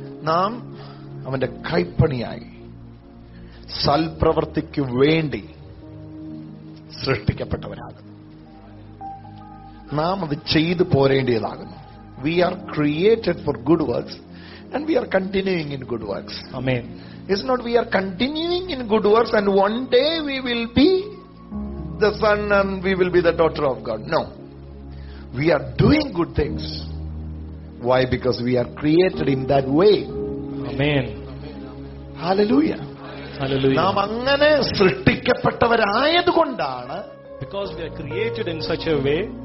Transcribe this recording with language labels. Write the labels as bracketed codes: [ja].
[ml] നാം അവന്റെ കൈപ്പണിയായി സൽപ്രവർത്തിക്ക് വേണ്ടി സൃഷ്ടിക്കപ്പെട്ടവരാകുന്നു. നാം അത് ചെയ്തു പോരേണ്ടിയതാകുന്നു. [en] We are created for good works. and we are continuing in good works. Amen. It's not we are continuing in good works and one day we will be the son and we will be the daughter of God. No. We are doing good things. Why? Because we are created in that way. Amen. Hallelujah. Hallelujah. [ml] നാം അങ്ങനെ സൃഷ്ടിക്കപ്പെട്ടവരായതുകൊണ്ടാണ് [en] because we are created in such a way